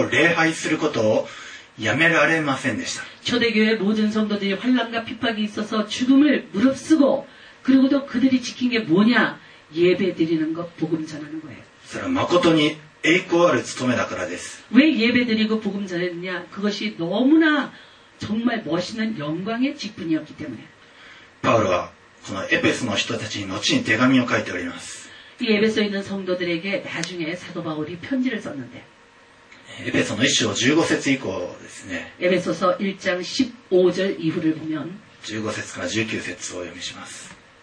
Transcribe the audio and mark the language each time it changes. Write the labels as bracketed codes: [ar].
[ja] 初代教会の人たちは縄目と苦しみがあると知っておきながらなお礼拝することをやめられませんでした. [ko] 초대교회 모든 성도들이 환난과 핍박이 있어서 죽음을 무릅쓰고 그리고도 그들이 지킨 게 뭐냐? 예배 드리는 것, 복음 전하는 거예요. [ja] それは誠に栄光ある務めだからです. [ko] 왜 예배 드리고 복음 전했느냐? 그것이 너무나 정말 멋있는 영광의 직분이었기 때문에. [ja] 바울은 このエペソの人たちに後に手紙を書いております。 [ko] エペソに있는성도들에게나중에사도바울이편지를썼는데。 [ja] エペソの1章15節以降ですね。 [ko] エペソ서1장15절이후를보면。 [ja] 15節から19節を読みします。